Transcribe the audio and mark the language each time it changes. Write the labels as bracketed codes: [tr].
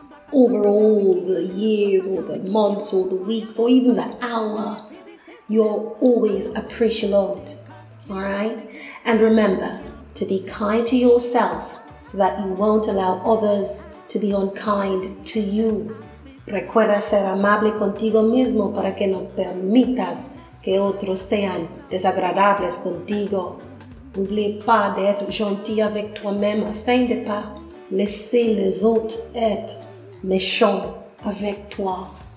[en] Over all the years or the months or the weeks or even the hour, you're always appreciated, all right? And remember to be kind to yourself so that you won't allow others to be unkind to you. [es] Recuerda ser amable contigo mismo para que no permitas que otros sean desagradables contigo. [fr] N'oublie pas d'être gentil avec toi-même afin de pas laisser les autres être méchant avec toi.